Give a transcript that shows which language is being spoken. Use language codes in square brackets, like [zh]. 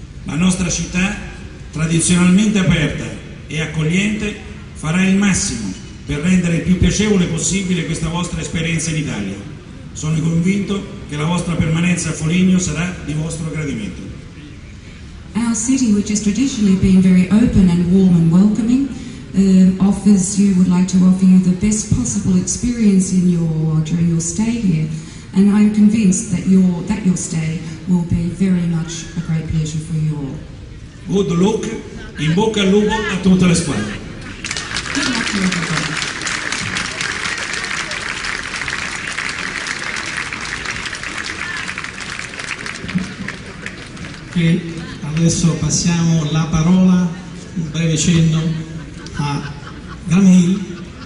[it] La nostra città, tradizionalmente aperta e accogliente, farà il massimo per rendere il più piacevole possibile questa vostra esperienza in Italia. Sono convinto che la vostra permanenza a Foligno sarà di vostro gradimento. [en] Our city, which has traditionally been very open and warm and welcoming, would like to offer you the best possible experience in during your stay here, and I'm convinced that your stay will be very much a great pleasure for you all. Good luck, [it] in bocca al lupo a tutta la squadra. [en] Good luck to everybody. Okay. [it] Adesso passiamo la parola, un breve cenno, a Granhill.